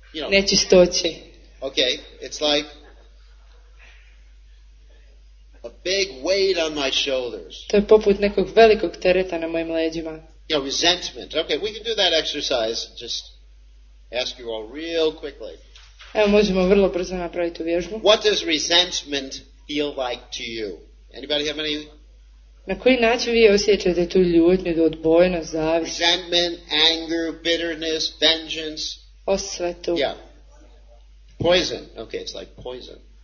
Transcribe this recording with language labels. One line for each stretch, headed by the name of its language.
Croatian: Nečistoće.
English: Okay, it's like a big weight on my shoulders.
Croatian: To je poput nekog velikog tereta na mojim leđima.
English: You know, resentment. Okay, we can do that exercise. Just ask you all real quickly.
Croatian: Evo, možemo vrlo brzo napraviti vježbu.
English: What does resentment feel like to you? Anybody have any?
Croatian: Na koji način vi osjećate tu ljutnju, tu odbojnost, zavist?
English: Resentment, anger, bitterness, vengeance.
Croatian: Osvetu.
English: Yeah. Poison. Okay, it's like poison.